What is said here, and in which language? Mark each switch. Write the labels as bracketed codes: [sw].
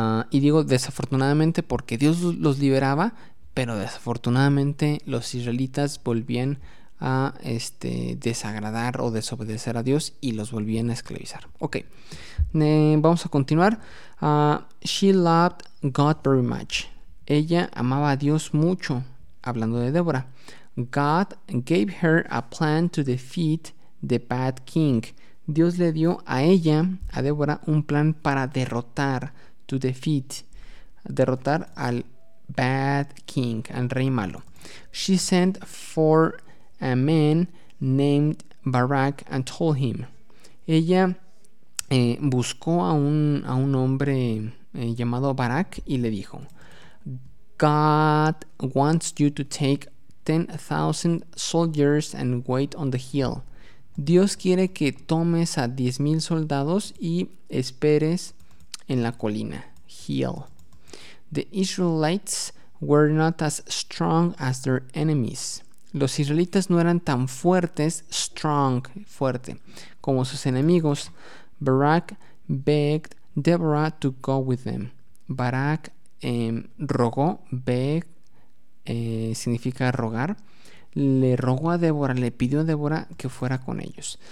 [es] Y digo desafortunadamente porque Dios los liberaba, pero desafortunadamente los israelitas volvían a desagradar o desobedecer a Dios y los volvían a esclavizar. Ok, vamos a continuar. [en] She loved God very much. [es] Ella amaba a Dios mucho, hablando de Débora. [en] God gave her a plan to defeat the bad king. [es] Dios le dio a ella, a Débora, un plan para derrotar, [en] to defeat, [es] derrotar al [en] bad king, [es] al rey malo. [en] She sent for a man named Barak and told him. [es] Ella buscó a un hombre llamado Barak y le dijo, [en] God wants you to take 10,000 soldiers and wait on the hill. [es] Dios quiere que tomes a 10,000 soldados y esperes en la colina. [en] Hill. The Israelites were not as strong as their enemies. [es] Los israelitas no eran tan fuertes, strong, fuerte, como sus enemigos. [en] Barak begged Deborah to go with them. [es] Barak rogó, beg significa rogar. Le rogó a Débora, le pidió a Débora que fuera con ellos.